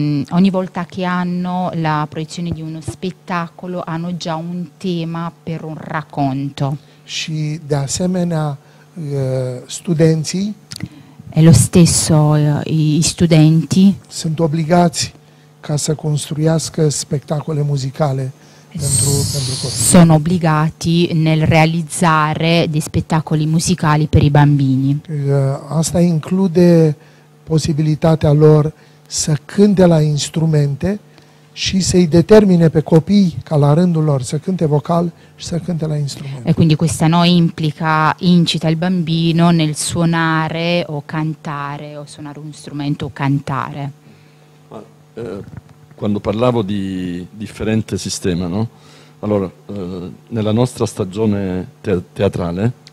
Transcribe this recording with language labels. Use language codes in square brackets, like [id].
[it] Ogni volta che hanno la proiezione di uno spettacolo hanno già un tema per un racconto. [ro] Și de asemenea studenții. [it] E lo stesso i studenti. [ro] Sunt obligați ca să construiască spectacole muzicale pentru copii. [it] Sono obbligati nel realizzare dei spettacoli musicali per i bambini. [ro] Asta include posibilitatea lor să cânte la instrumente și să-i determine pe copii ca la rândul lor să cânte vocal și să cânte la instrumente. [it] E quindi questa no implica, incita il bambino nel suonare o cantare o suonare un strumento o cantare. Ma, quando parlavo di differente sistema, no? Allora, nella nostra stagione teatrale,